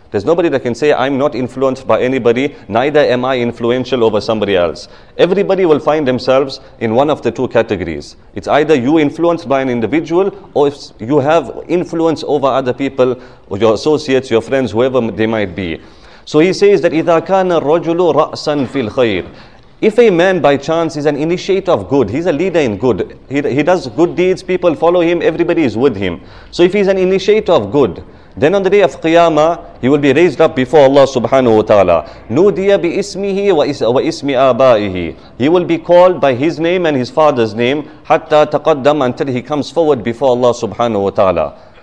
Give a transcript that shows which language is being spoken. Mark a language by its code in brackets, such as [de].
[en] There's nobody that can say, I'm not influenced by anybody, neither am I influential over somebody else. Everybody will find themselves in one of the two categories. It's either you influenced by an individual, or if you have influence over other people, or your associates, your friends, whoever they might be. So he says that, [ar] إِذَا كَانَ الرَّجُلُ رَأْسًا فِي الْخَيْرِ. [en] If a man by chance is an initiator of good, he's a leader in good, he does good deeds, people follow him, everybody is with him. So if he's an initiator of good, then on the day of Qiyamah, he will be raised up before Allah subhanahu wa ta'ala. [ar] Nudiya bi ismihi wa ismi abaihi. [en] He will be called by his name and his father's name, [ar] hatta taqaddam, [en] until he comes forward before Allah subhanahu wa ta'ala.